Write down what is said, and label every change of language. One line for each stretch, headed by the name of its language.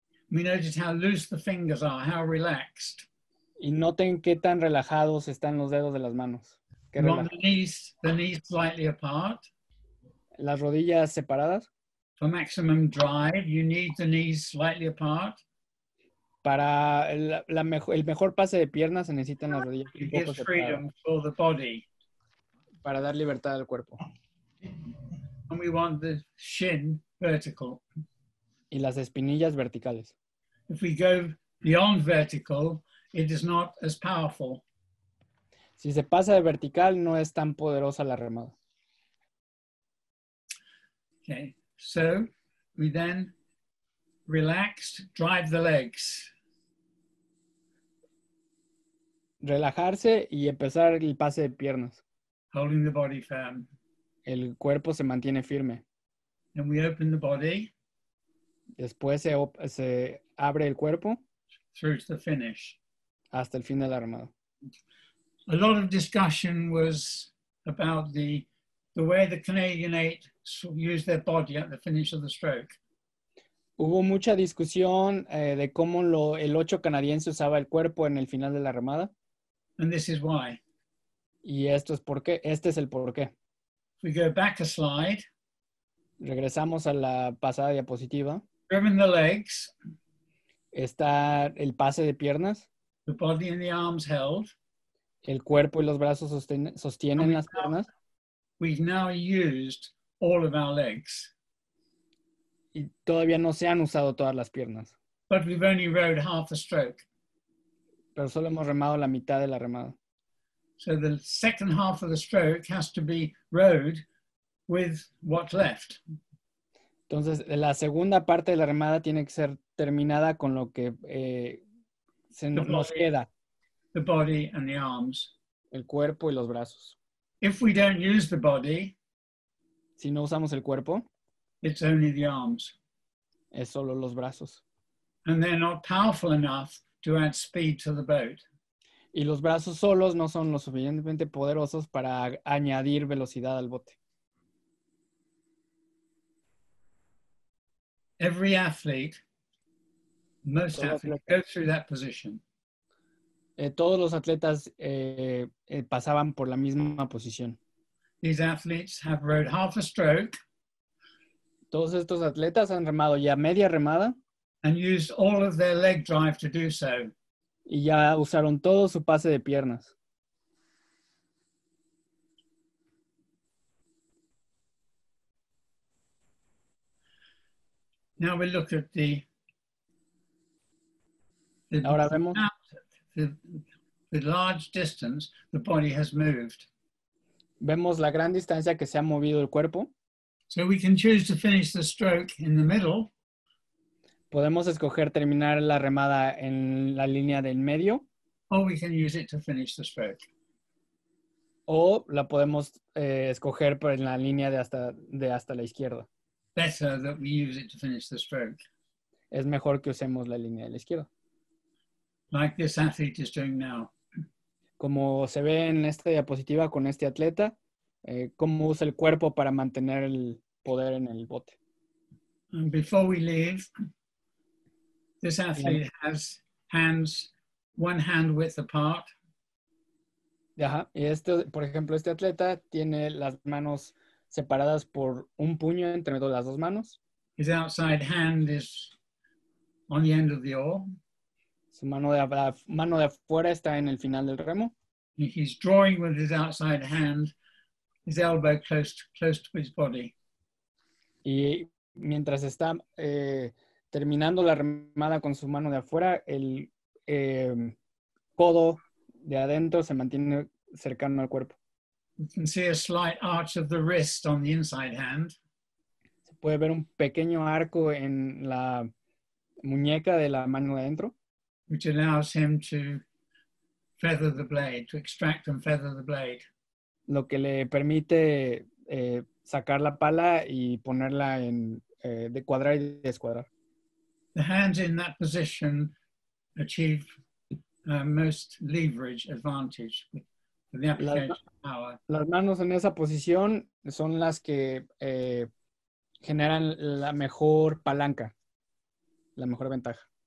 English: We notice how loose the fingers are, how relaxed.
Spanish: Y noten qué tan relajados están los dedos de las manos. Qué
English: we
Spanish: relajado.
English: Want the knees slightly apart.
Spanish: Las rodillas separadas.
English: For maximum drive, you need the knees slightly apart.
Spanish: Para el mejor pase de piernas se necesitan las rodillas un poco separadas. Para dar libertad al cuerpo.
English: And we want the shin vertical.
Spanish: Y las espinillas verticales.
English: If we go beyond vertical, it is not as powerful.
Spanish: Si se pasa de vertical, no es tan poderosa la remada.
English: Okay. So we then relax, drive the legs.
Spanish: Relajarse y empezar el pase de piernas.
English: Holding the body firm.
Spanish: El cuerpo se mantiene firme.
English: And we open the body.
Spanish: Después se abre el cuerpo.
English: Through to the finish.
Spanish: Hasta el fin del armado.
English: A lot of discussion was about the way the Canadian 8 use their body at the finish of the stroke.
Spanish: Hubo mucha discusión de cómo el 8 canadiense usaba el cuerpo en el final de la remada.
English: And this is why.
Spanish: Y esto es por qué. Este es el por qué.
English: We go back a slide.
Spanish: Regresamos a la pasada diapositiva.
English: Driven the legs.
Spanish: Está el pase de piernas.
English: The body and the arms held.
Spanish: El cuerpo y los brazos sostienen las piernas.
English: We've now used all of our legs.
Spanish: Y todavía no se han usado todas las piernas.
English: But we've only rowed half a stroke.
Spanish: Pero solo hemos remado la mitad de la remada.
English: So the second half of the stroke has to be rowed with what's left.
Spanish: Entonces, la segunda parte de la remada tiene que ser terminada con lo que nos queda.
English: The body and the arms.
Spanish: El cuerpo y los brazos.
English: If we don't use the body,
Spanish: si no usamos el cuerpo,
English: it's only the arms.
Spanish: Es solo los brazos.
English: And they're not powerful enough to add speed to the boat.
Spanish: Y los brazos solos no son lo suficientemente poderosos para añadir velocidad al bote.
English: Every athlete, most athletes go through that position.
Spanish: Todos los atletas pasaban por la misma posición.
English: These athletes have rowed half a stroke.
Spanish: Todos estos atletas han remado ya media remada.
English: And used all of their leg drive to do so.
Spanish: Y ya usaron todo su pase de piernas.
English: Now we look at
Spanish: ahora vemos
English: the large distance the body has moved.
Spanish: Vemos la gran distancia que se ha movido el cuerpo.
English: So we can choose to finish the stroke in the middle.
Spanish: Podemos escoger terminar la remada en la línea del medio.
English: Or we can use it to finish the stroke.
Spanish: O la podemos escoger en la línea de hasta la izquierda.
English: Better that we use it to finish the stroke.
Spanish: Es mejor que usemos la línea de la izquierda.
English: Like this athlete is doing now.
Spanish: Como se ve en esta diapositiva con este atleta, cómo usa el cuerpo para mantener el poder en el bote.
English: And before we leave, this athlete has hands one hand width apart. Ajá.
Spanish: Y este, por ejemplo, este atleta tiene las manos separadas por un puño entre las dos manos.
English: His outside hand is on the end of the oar.
Spanish: Su mano de afuera está en el final del remo.
English: He's drawing with his outside hand, his elbow close to his body.
Spanish: Y mientras está terminando la remada con su mano de afuera, el codo de adentro se mantiene cercano al cuerpo.
English: You can see a slight arch of the wrist on the inside hand.
Spanish: Se puede ver un pequeño arco en la muñeca de la mano de adentro.
English: Which allows him to feather the blade, to extract and feather the blade.
Spanish: Lo que le permite sacar la pala y ponerla en de cuadrar y descuadrar.
English: The hands in that position achieve most leverage advantage with the application of power.
Spanish: Las manos en esa posición son las que generan la mejor palanca, la mejor ventaja.